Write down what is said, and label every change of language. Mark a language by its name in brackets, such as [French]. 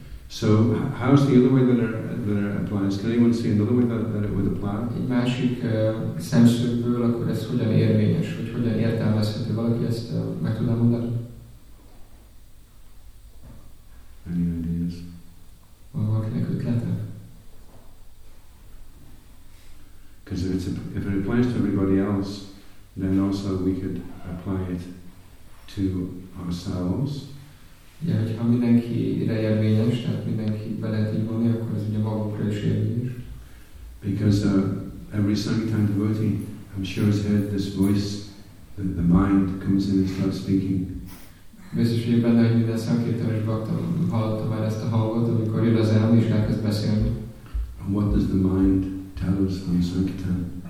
[English] So how's the other way that it applies? Can anyone see another way that it would apply? [Hungarian] Egy másik szemszögből, akkor ez hogyan érvényes, hogy hogyan értelmezhető valaki ezt meg tudná mondani? [English] Any ideas? [Hungarian] Van valakinek ötlete? [English] Because if it applies to everybody else, then also we could apply it to ourselves. [Hungarian] Ugye, hogyha mindenki érvényes, tehát mindenki be lehet így vonni, akkor ez ugye magukra is érvényes. [English] Because every Sankirtan devotee, I'm sure, has heard this voice, that the mind comes in and starts speaking. [Hungarian] Biztos, hogy benne, hogy minden Sankirtanos bhakta hallotta már ezt a hangot, amikor jön az elme és elkezd beszélni. [English] And what does the mind tell us on Sankirtan?